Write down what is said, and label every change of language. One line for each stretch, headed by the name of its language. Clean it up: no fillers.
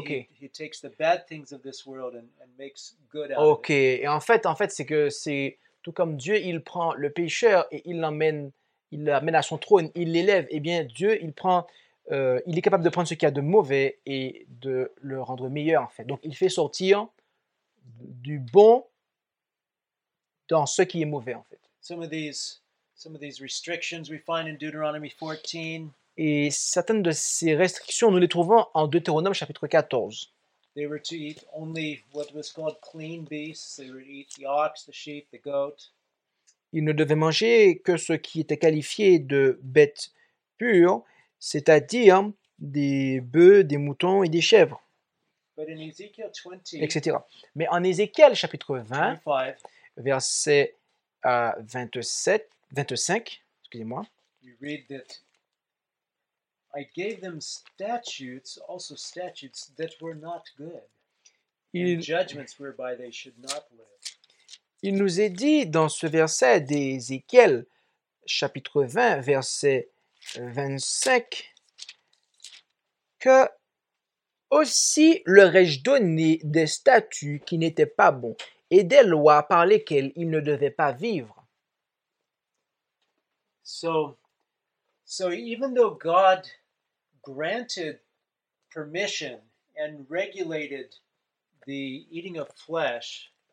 English: He takes the bad things of this world and makes good out of it.
French: Et en fait, c'est que c'est tout comme Dieu, il prend le pécheur et il l'amène à son trône, il l'élève. Eh bien, Dieu, il est capable de prendre ce qu'il y a de mauvais et de le rendre meilleur, en fait. Donc, il fait sortir du bon dans ce qui est mauvais, en fait.
English: Some of these restrictions we find in Deuteronomy 14.
French: Et certaines de ces restrictions, nous les trouvons en Deutéronome chapitre 14.
English: They were to eat only what was called clean beasts. They were to eat the ox, the sheep, the goat.
French: Ils ne devaient manger que ce qui était qualifié de bêtes pures, c'est-à-dire des bœufs, des moutons et des chèvres,
English: but in Ezekiel 20,
French: etc. Mais en Ézéchiel chapitre 20, 25, verset 25,
English: we read that I gave them statutes, also statutes that were not good, and judgments whereby they should not live.
French: Il nous est dit dans ce verset d'Ézéchiel, chapitre 20, verset 25, que aussi leur ai-je donné des statuts qui n'étaient pas bons, et des lois par lesquelles ils ne devaient pas vivre.
English: So even though God granted permission and regulated the eating of flesh,